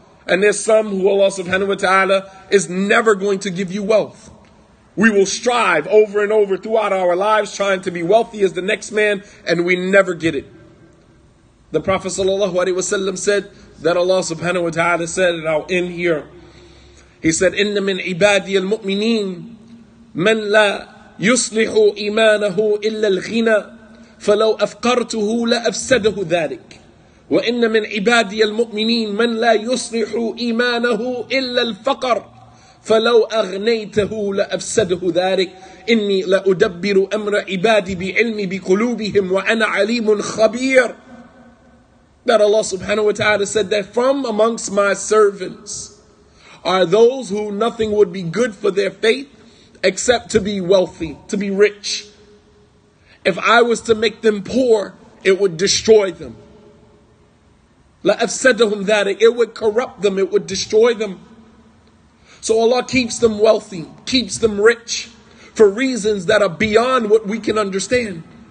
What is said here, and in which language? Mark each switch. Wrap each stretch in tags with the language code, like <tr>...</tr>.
<en>And there's some who Allah</en> <ar>subhanahu wa ta'ala</ar> <en>is never going to give you wealth. We will strive over and over throughout our lives trying to be wealthy as the next man, and we never get it. The Prophet</en> <ar>sallallahu alaihi wasallam</ar> <en>said that Allah</en> <ar>subhanahu wa ta'ala</ar> <en>said, and I'll end here.</en> <ar>He said, إِنَّ مِنْ عِبَادِيَ الْمُؤْمِنِينَ مَنْ لَا يُصْلِحُ إِيمَانَهُ إِلَّا الْغِنَى فَلَوْ أَفْقَرْتُهُ لَأَفْسَدَهُ ذَلِكَ وَإِنَّ مِنْ عِبَادِيَ الْمُؤْمِنِينَ مَنْ لَا يُصْلِحُ إِيمَانَهُ إِلَّا الْفَقَرْ فَلَوْ أَغْنَيْتَهُ لَأَفْسَدَهُ ذَلِكَ إِنِّي لَأُدَبِّرُ أَمْرَ عِبَادِي بِعِلْمِ بِقُلُوبِهِمْ وَأَنَا عَلِيمٌ خَبِيرٌ.</ar> <en>That Allah</en> <ar>subhanahu wa ta'ala</ar> <en>said that from amongst my servants are those who nothing would be good for their faith except to be wealthy, to be rich. If I was to make them poor, it would destroy them.</en> <ar>لَأَفْسَدَهُمْ ذَلِكَ.</ar> <en>It would corrupt them, it would destroy them. So Allah keeps them wealthy, keeps them rich for reasons that are beyond what we can understand.</en>